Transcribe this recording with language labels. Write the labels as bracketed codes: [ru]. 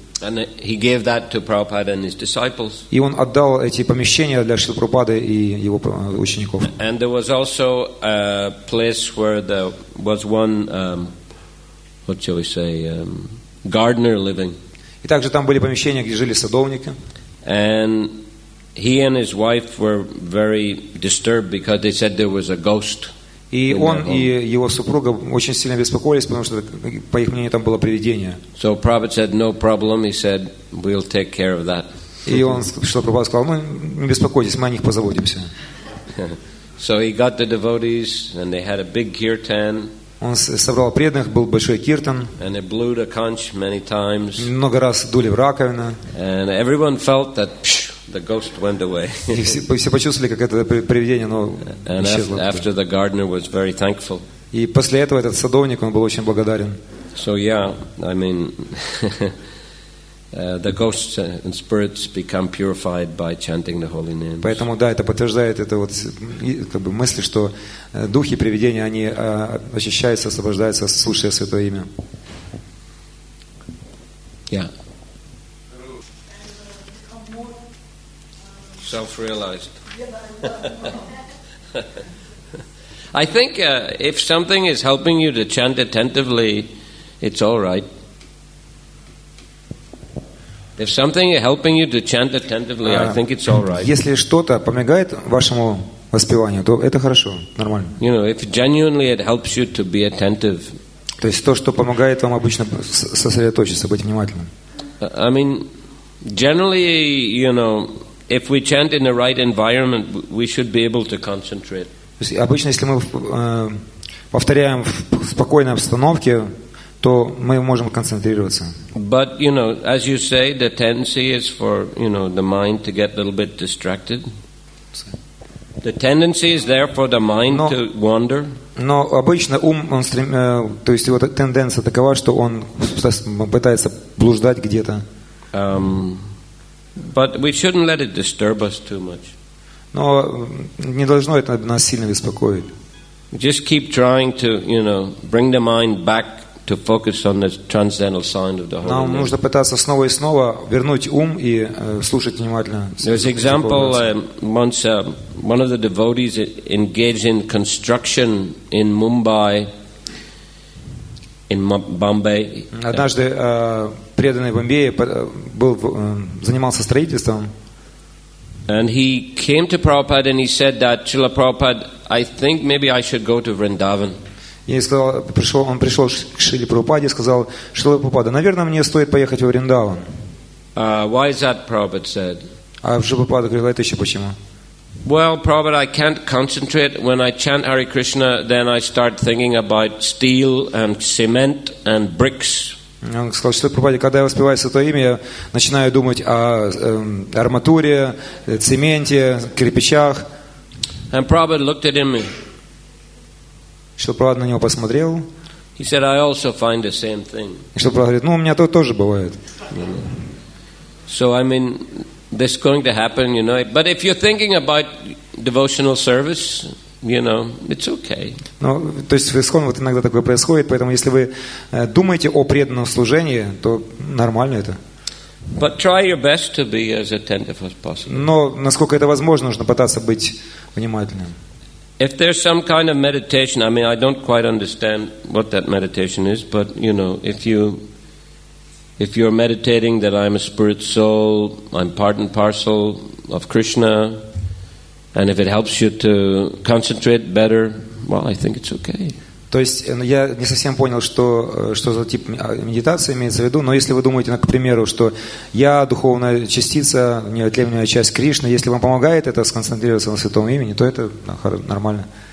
[en] And he gave that to Prabhupada and his disciples. [ru] И он отдал эти помещения для Шрилы Прабхупады и его учеников. [en] And there was also a place where there was one, what shall we say, gardener living. [ru] И также там были помещения, где жили садовники. [en] And he and his wife were very disturbed because they said there was a ghost. [ru] И он и его супруга очень сильно беспокоились, потому что, по их мнению, там было привидение. [en] So Prabhupada said, no problem. He said, we'll take care of that. [ru] И он, что Прабхупада сказал, ну, не беспокойтесь, мы о них позаботимся. [en] So he got the devotees, and they had a big kirtan. [ru] Он собрал преданных, был большой киртан. [en] And they blew the conch many times. [ru] Много раз дули в раковину. [en] And everyone felt that, the ghost went away. [ru] Все почувствовали, как это привидение, но исчезло. [en] After the gardener was very thankful. [ru] И после этого этот садовник, он был очень благодарен. [en] So yeah, I mean, the ghosts and spirits become purified by chanting the holy names. [ru] Поэтому да, это подтверждает это вот как бы мысль, что духи привидения они очищаются, освобождаются, слушая Святое Имя. [en] Yeah. Self-realized. I think if something is helping you to chant attentively, it's all right. If something is helping you to chant attentively, I think it's all right. [ru] Если что-то помогает вашему воспеванию, то это хорошо, нормально. [en] You know, if genuinely it helps you to be attentive. [ru] То есть то, что помогает вам обычно сосредоточиться, быть внимательным. [en] I mean, generally, you know. If we chant in the right environment, we should be able to concentrate. [ru] Обычно, если мы повторяем в спокойной обстановке, то мы можем концентрироваться. [en] But you know, as you say, the tendency is for you know the mind to get a little bit distracted. The tendency is there for the mind to wander. [ru] Но обычно ум, он то есть его тенденция такова, что он пытается блуждать где-то. [en] But we shouldn't let it disturb us too much. [ru] Но не должно это нас сильно беспокоить. [en] Just keep trying to, you know, bring the mind back to focus on the transcendental sound of the Holy Name. [ru] Нам нужно пытаться снова и снова вернуть ум и слушать внимательно. [en] There's an example once one of the devotees engaged in construction in Mumbai, in Bombay. [ru] Однажды преданный в Бомбее был занимался строительством. [en] And he came to Prabhupada and he said that Srila Prabhupada, I think maybe I should go to Vrindavan. [ru] И сказал, он пришел к Шриле Прабхупаде и сказал: Шрила Прабхупада, наверное, мне стоит поехать во Вриндаван. [en] Why is that, Prabhupada said? [ru] А Шрила Прабхупада говорил, это еще почему? [en] Well, Prabhupada, I can't concentrate when I chant Hare Krishna, then I start thinking about steel and cement and bricks. [ru] Он сказал, что Прабхупаде, когда я воспеваю Святое Имя, я начинаю думать о арматуре, цементе, кирпичах. [en] And Prabhupada looked at him. [ru] Шрила Прабхупада на него посмотрел. [en] He said, I also find the same thing. [ru] Говорит, ну, у меня то тоже бывает. [en] So, I mean, this is going to happen, you know. But if you're thinking about devotional service, you know, it's okay. [ru] Ну, то есть, исконно вот иногда такое происходит, поэтому если вы думаете о преданном служении, то нормально это. [en] But try your best to be as attentive as possible. [ru] Но насколько это возможно, нужно пытаться быть внимательным. [en] If there's some kind of meditation, I mean, I don't quite understand what that meditation is, but you know, if you're meditating that I'm a spirit soul, I'm part and parcel of Krishna, and if it helps you to concentrate better, well, I think it's okay. [ru] То есть я не совсем понял, что за тип медитации имеется в виду, но если вы думаете, к примеру, что я духовная частица, неотъемлемая часть Кришны, если вам помогает это сконцентрироваться на святом имени, то это нормально.